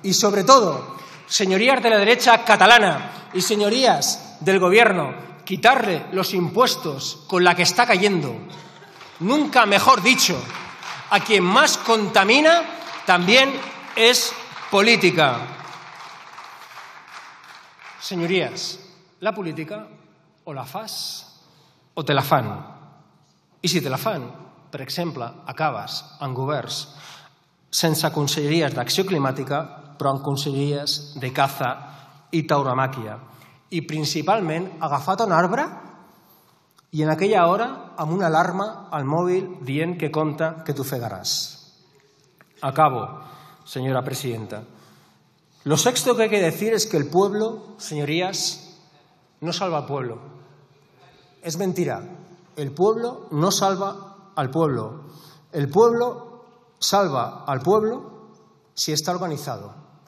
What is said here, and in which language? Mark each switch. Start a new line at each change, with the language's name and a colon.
Spanish: Y sobre todo, señorías de la derecha catalana y señorías del gobierno, quitarle los impuestos con la que está cayendo. Nunca mejor dicho, a quien más contamina también es política.
Catalan: Señorías, la política o la fas o te la fan. I si te la fan, per exemple, acabes en governs sense conselleries d'acció climàtica, però en conselleries de caza i tauromàquia. I principalment agafat a un arbre i en aquella hora amb una alarma al mòbil dient que compte que t'ofegaràs. Acabo, senyora presidenta.
Spanish: Lo sexto que hay que decir es que el pueblo, señorías, no salva al pueblo. Es mentira. El pueblo no salva al pueblo. El pueblo salva al pueblo si está organizado.